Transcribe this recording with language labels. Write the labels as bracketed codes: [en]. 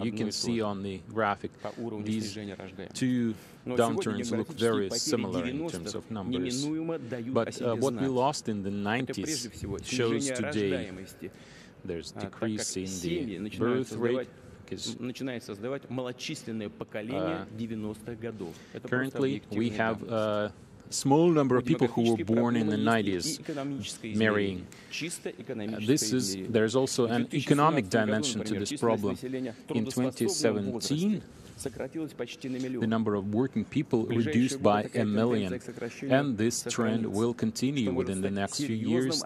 [en] You can see on the graphic these two downturns look very similar in terms of numbers. But what we lost in the 90s shows today there's a decrease in the birth rate. [ru] Начинает создавать малочисленное поколение 90-х годов. [en] Currently, we have a small number of people who were born in the 90s marrying. There's also an economic dimension to this problem. In 2017, the number of working people reduced by a million, and this trend will continue within the next few years.